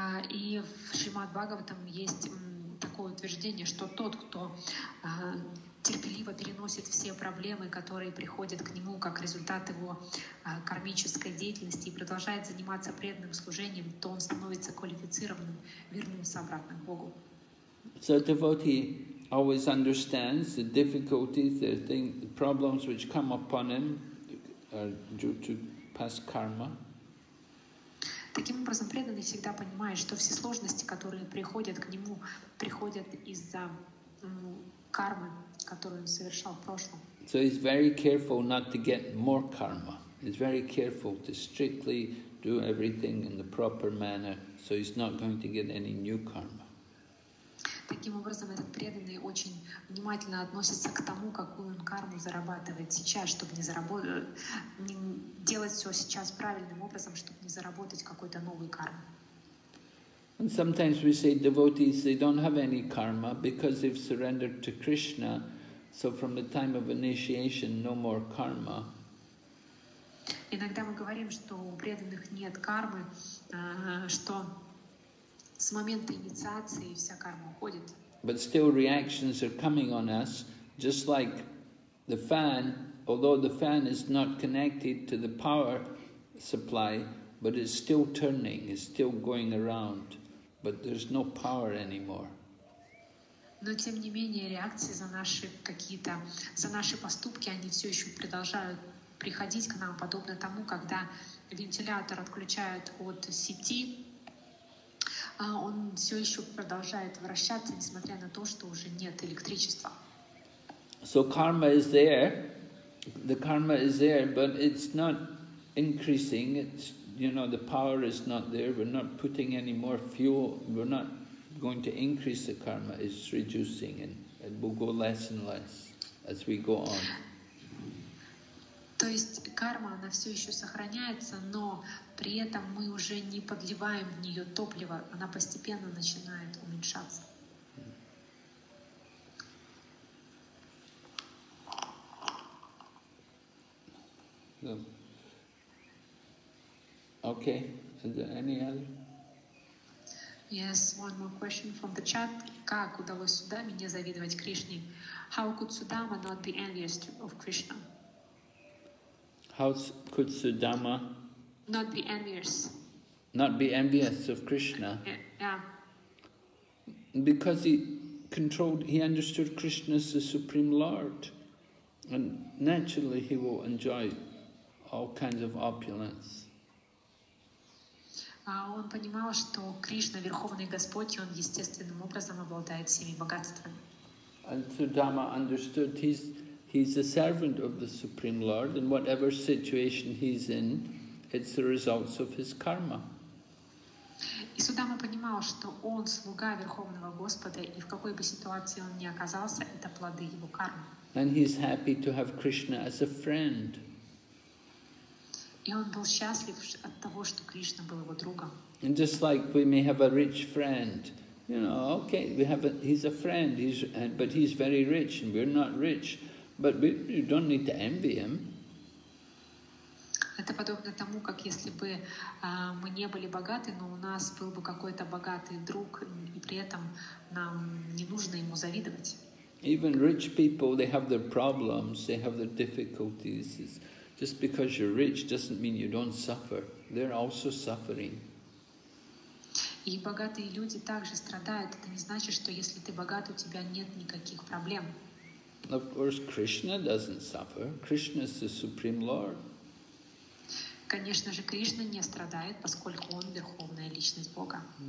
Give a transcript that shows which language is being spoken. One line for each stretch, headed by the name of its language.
Russian: И в Srimad Bhagavatam есть такое утверждение, что тот, кто терпеливо переносит все проблемы, которые приходят к нему как результат его кармической деятельности и продолжает заниматься преданным служением, то он становится квалифицированным, вернулся обратно к Богу.
English: So devotee always understands the difficulties, the problems which come upon him, are due to past karma.
Russian: Таким образом, преданный всегда понимает, что все сложности, которые приходят к нему, приходят из-за кармы, которую он совершал в прошлом.
English: So he's very careful not to get more karma. He's very careful to strictly do everything in the proper manner, so he's not going to get any new karma.
Russian: Таким образом, этот преданный очень внимательно относится к тому, какую он карму зарабатывает сейчас, чтобы не делать все сейчас правильным образом, чтобы не заработать какой-то новый карму.
English: And sometimes we say devotees, they don't have any karma because they've surrendered to Krishna, so from the time of initiation, no more karma.
Russian: Иногда мы говорим, что у преданных нет кармы, что с момента инициации вся карма уходит.
English: But still reactions are coming on us, just like the fan, although the fan is not connected to the power supply, but it's still turning, it's still going around, but there's no power anymore.
Russian: Но тем не менее реакции за наши какие-то, за наши поступки, они все еще продолжают приходить к нам, подобно тому, когда вентилятор отключают от сети, он все еще продолжает вращаться, несмотря на то, что уже нет электричества.
English: So karma is there, The karma is there, but it's not increasing. It's, you know, the power is not there. We're not putting any more fuel. We're not going to increase the karma. It's reducing, and it will go less and less as we go on.
Russian: То есть карма, она все еще сохраняется, но при этом мы уже не подливаем в нее топливо, она постепенно начинает уменьшаться.
English: Okay, is there any other? Yes, one more question from the chat.
Russian: Как удалось Судаме не завидовать Кришне?
English: How could Sudama not be envious of Krishna? How could Sudama not be envious? Not be envious of Krishna? Yeah. Because he controlled, he understood Krishna as the Supreme Lord. And naturally he will enjoy all kinds of opulence.
Russian: Он понимал, что Кришна, Верховный Господь, и он естественным образом обладает всеми богатствами.
English: And Sudama understood he's a servant of the Supreme Lord, and whatever situation he's in, it's the results of his karma.
Russian: И Судама понимал, что он слуга Верховного Господа, и в какой бы ситуации он ни оказался, это плоды его кармы.
English: And he's happy to have Krishna as a friend.
Russian: И он был счастлив от того, что Кришна был его другом.
English: And just like we may have a rich friend, you know, okay, we have a, he's a friend, he's, but he's very rich and we're not rich. But you don't need to envy him.
Russian: Это подобно тому, как если бы мы не были богаты, но у нас был бы какой-то богатый друг, и при этом нам не нужно ему завидовать.
English: Even rich people, they have their problems, they have their difficulties. Just because you're rich doesn't mean you don't suffer. They're also suffering.
Russian: И богатые люди также страдают. Это не значит, что если ты богат, у тебя нет никаких проблем.
English: Of course, Krishna doesn't suffer. Krishna is the Supreme Lord.
Russian: Конечно же, Кришна не страдает, поскольку он верховная личность Бога.